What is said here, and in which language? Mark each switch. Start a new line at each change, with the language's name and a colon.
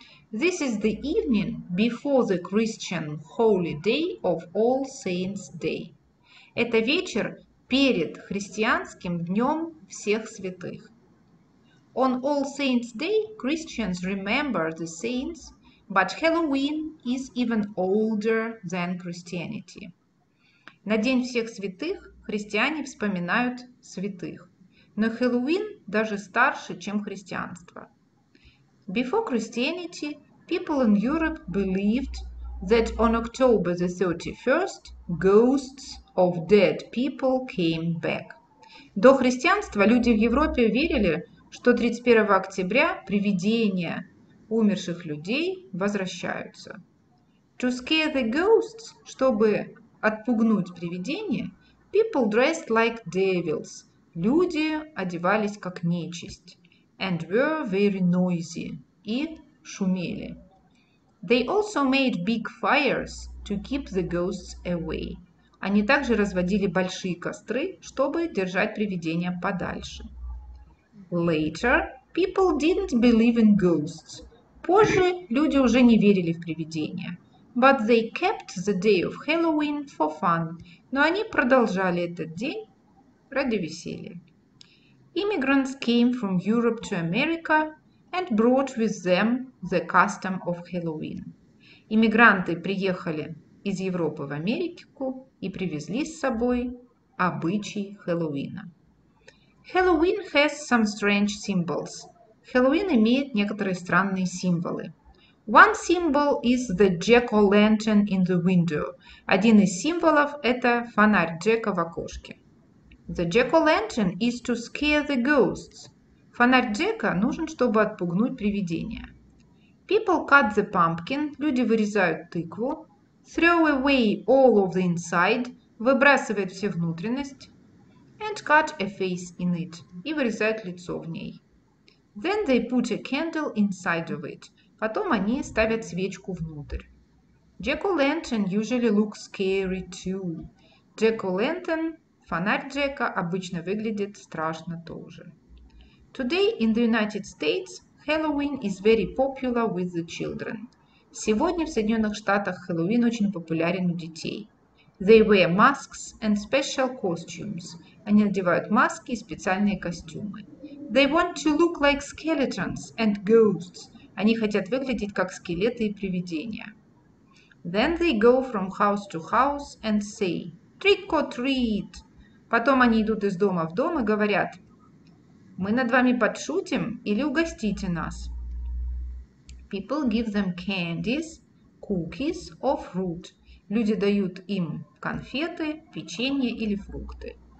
English: This is the evening before the Christian holy day of All Saints Day.
Russian: Это вечер перед христианским днем всех святых.
English: On All Saints Day, Christians remember the saints, but Halloween is even older than Christianity.
Russian: На День всех святых христиане вспоминают святых, но Halloween даже старше, чем христианство.
English: Before Christianity, people in Europe believed that on October the 31st, ghosts of dead people came back.
Russian: До христианства люди в Европе верили, что 31 октября привидения умерших людей возвращаются.
English: To scare the ghosts,
Russian: чтобы отпугнуть привидения,
English: people dressed like devils.
Russian: Люди одевались как нечисть.
English: And were very noisy.
Russian: И шумели.
English: They also made big fires to keep the ghosts away.
Russian: Они также разводили большие костры, чтобы держать привидения подальше.
English: Later, people didn't believe in ghosts.
Russian: Позже люди уже не верили в привидения.
English: But they kept the day of Halloween for fun.
Russian: Но они продолжали этот день ради веселья.
English: Immigrants came from Europe to America and brought with them the custom of Halloween.
Russian: Иммигранты приехали из Европы в Америку и привезли с собой обычай Хэллоуина.
English: Halloween has some strange symbols.
Russian: Halloween имеет некоторые странные символы.
English: One symbol is the jack-o'-lantern in the window.
Russian: Один из символов – это фонарь Джека в окошке.
English: The jack-o'-lantern is to scare the ghosts.
Russian: Фонарь Джека нужен, чтобы отпугнуть привидения.
English: People cut the pumpkin.
Russian: Люди вырезают тыкву.
English: Throw away all of the inside.
Russian: Выбрасывает все внутренности.
English: And cut a face in it.
Russian: И вырезают лицо в ней.
English: Then they put a candle inside of it.
Russian: Потом они ставят свечку внутрь.
English: Jack-o'-lantern usually looks scary too.
Russian: Jack-o'-lantern, фонарь Джека, обычно выглядит страшно тоже.
English: Today in the United States, Halloween is very popular with the children.
Russian: Сегодня в Соединенных Штатах Хэллоуин очень популярен у детей.
English: They wear masks and special costumes.
Russian: Они надевают маски и специальные костюмы.
English: They want to look like skeletons and ghosts.
Russian: Они хотят выглядеть как скелеты и привидения.
English: Then they go from house to house and say, trick or treat.
Russian: Потом они идут из дома в дом и говорят, мы над вами подшутим или угостите нас.
English: People give them candies, cookies or fruit.
Russian: Люди дают им конфеты, печенье или фрукты.